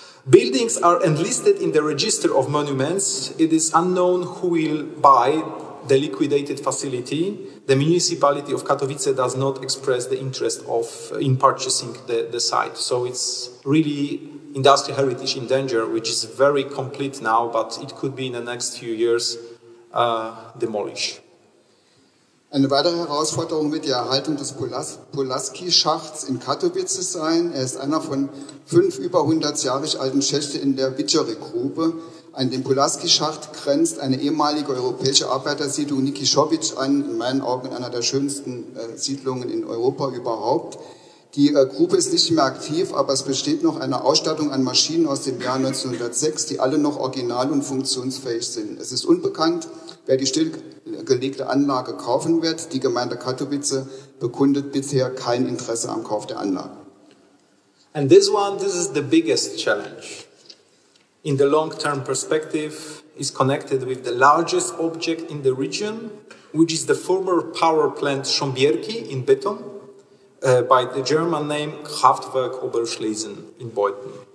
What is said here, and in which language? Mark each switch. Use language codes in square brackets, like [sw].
[en] Buildings are enlisted in the register of monuments. It is unknown who will buy the liquidated facility. The municipality of Katowice does not express the interest of in purchasing the site. So it's really industrial heritage in danger, which is very complete now, but it could be in the next few years demolished. [de] Eine weitere Herausforderung wird die Erhaltung des Pulaski-Schachts in Katowice sein. Er ist einer von 5 über 100 Jahre alten Schächte in der Wiczory-Grube. An dem Pulaski-Schacht grenzt eine ehemalige europäische Arbeitersiedlung Nikiszowicz an, in meinen Augen einer der schönsten Siedlungen in Europa überhaupt. Die Grube ist nicht mehr aktiv, aber es besteht noch eine Ausstattung an Maschinen aus dem Jahr 1906, die alle noch original und funktionsfähig sind. Es ist unbekannt, wer die gelegte Anlage kaufen wird. Die Gemeinde Katowice bekundet bisher kein Interesse am Kauf der Anlage. [en] And this is the biggest challenge. In the long-term perspective, is connected with the largest object in the region, which is the former power plant Schombierki in Beton, by the German name Kraftwerk Oberschlesien in Beuthen.